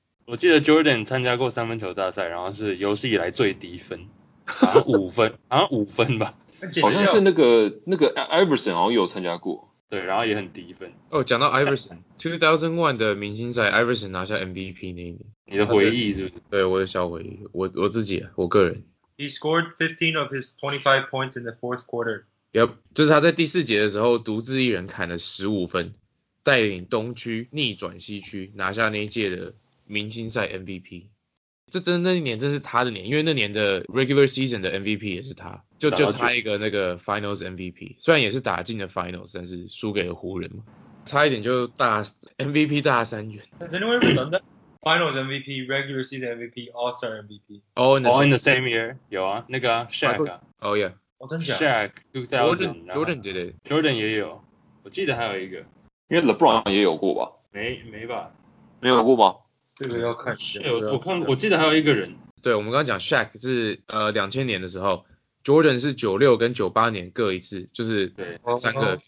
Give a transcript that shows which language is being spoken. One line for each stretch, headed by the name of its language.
Chinese: 我记得 Jordan 参加过三分球大赛，然后是有史以来最低分，好像五分，好像五分吧。好像是那个 Iverson 好像有参加过，对，然后也很低分。哦，讲到 Iverson， 2001的明星赛 ，Iverson 拿下 MVP 那一年。你的回忆是不是？对，我的小回忆，我自己，我个人。
English: He scored 15 of his 25 points in the fourth quarter.
Chinese: Yep， 就是他在第四节的时候独自一人砍了15分，带领东区逆转西区，拿下那一届的明星赛 MVP。这真的那一年真是他的年，因为那年的 regular season 的 MVP 也是他，就差一个那个 finals MVP， 虽然也是打进了 finals， 但是输给了湖人嘛，差一点就大 MVP 大三元。
English: Has anyone ever done that? Finals MVP, regular season MVP, All Star MVP. All in the same year.
Chinese: 有啊，那个啊 Shaq 啊。
English: Oh yeah.
Chinese: 真假？Shaq 2000。 Jordan 对的。 Jordan 也有，我记得还有一个，因为 LeBron 也有过吧？没吧？没有过吗？这个要看，我记得还有一个人，对，我们刚刚讲 Shaq 是2000年的时候， Jordan 是96跟98年各一次，就是三个，